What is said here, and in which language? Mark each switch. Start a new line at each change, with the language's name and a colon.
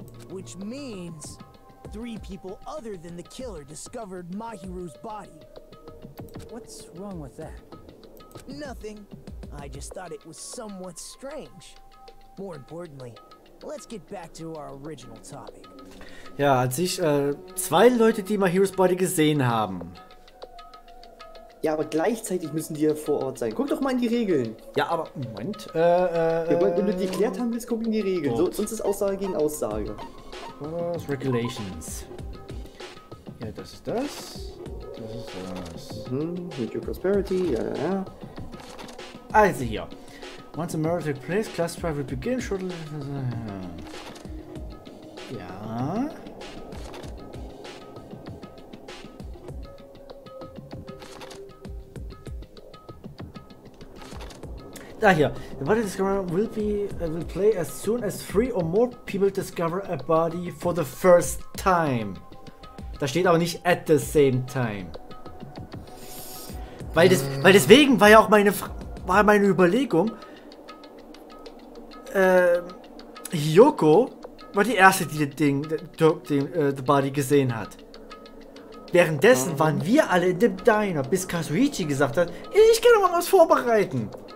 English: Which means three people other than the killer discovered Mahiru's body. What's wrong with that? Nothing. I just thought it was somewhat strange. More importantly, let's get back to our original topic.
German: Ja, an sich, zwei Leute, die Mahiru's Body gesehen haben. Ja, aber gleichzeitig müssen die ja vor Ort sein. Guck doch mal in die Regeln. Ja, aber Moment. Wenn du die geklärt haben willst, guck in die Regeln. So, sonst ist Aussage gegen Aussage. Was? Regulations. Ja, das ist das. Das ist das. Mhm, Ritual Prosperity, ja, ja, ja. Also hier.
English: Once a murder took place, class trial will begin shortly.
German: Ja. Da hier.
English: The body discovery will play as soon as three or more people discover a body for the first time.
German: Da steht aber nicht
English: at the same time.
German: Weil das, weil deswegen war ja auch meine Überlegung. Hyoko war die erste, die
English: the body
German: gesehen hat. Währenddessen waren wir alle in dem Diner, bis Kazuichi gesagt hat, ich kann noch mal was vorbereiten.